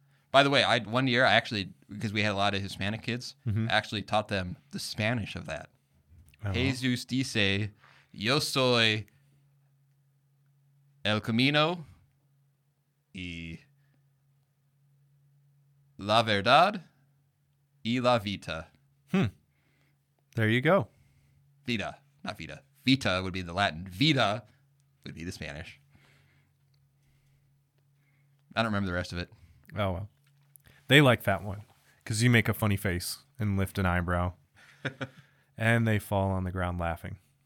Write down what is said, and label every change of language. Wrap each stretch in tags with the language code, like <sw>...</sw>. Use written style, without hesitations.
<en>By the way, one year, because we had a lot of Hispanic kids, mm-hmm. I actually taught them the Spanish of that.</en> <es>Jesus dice, yo soy el camino y la verdad y la vida.</es> <en>Hmm. There you go. Vida, not vida. Vita would be the Latin. Vida would be the Spanish. I don't remember the rest of it. Oh, well. They like that one because you make a funny face and lift an eyebrow. And they fall on the ground laughing.</en>